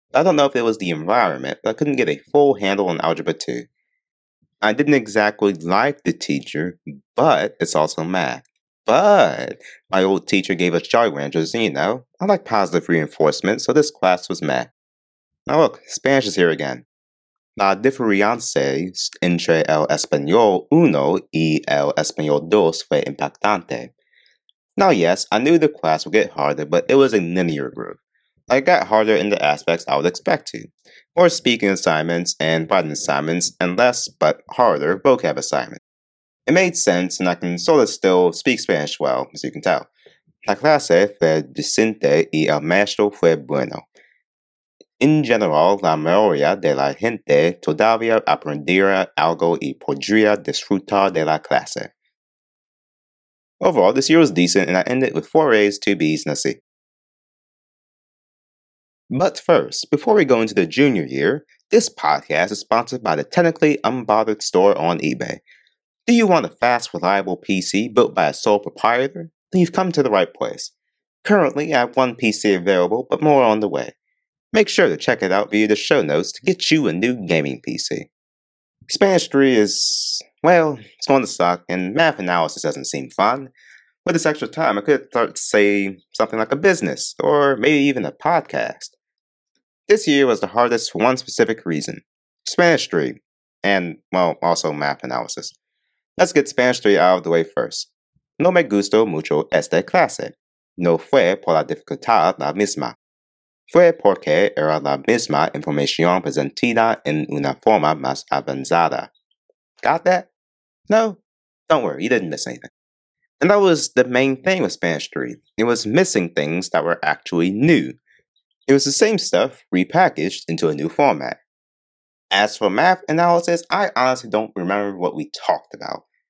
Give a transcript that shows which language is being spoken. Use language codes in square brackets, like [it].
[en] I don't know if it was the environment, but I couldn't get a full handle on Algebra 2. I didn't exactly like the teacher, but it's also math. But my old teacher gave us jargon, just, you know, I like positive reinforcement, so this class was math. Now look, Spanish is here again. [es] La diferencia entre el español uno y el español dos fue impactante. [en] Now yes, I knew the class would get harder, but it was a linear groove. I got harder in the aspects I would expect to. More speaking assignments and writing assignments, and less, but harder, vocab assignments. It made sense, and I can sort of still speak Spanish well, as you can tell. [es] La clase fue decente y el maestro fue bueno. En general, la mayoría de la gente todavía aprendiera algo y podría disfrutar de la clase. [en] Overall, this year was decent, and I ended with 4 A's, 2 B's, and a C. But first, before we go into the junior year, this podcast is sponsored by the Technically Unbothered store on eBay. Do you want a fast, reliable PC built by a sole proprietor? Then you've come to the right place. Currently, I have one PC available, but more on the way. Make sure to check it out via the show notes to get you a new gaming PC. Spanish 3 is, well, it's going to suck, and math analysis doesn't seem fun. With this extra time, I could start to say something like a business, or maybe even a podcast. This year was the hardest for one specific reason. Spanish 3, and, well, also math analysis. Let's get Spanish 3 out of the way first. [es] No me gustó mucho esta clase. No fue por la dificultad la misma. Fue porque era la misma información presentada en una forma más avanzada. [en] Got that? No? Don't worry, you didn't miss anything. And that was the main thing with Spanish 3. It was missing things that were actually new. It was the same stuff repackaged into a new format. As for math analysis, I honestly don't remember what we talked about.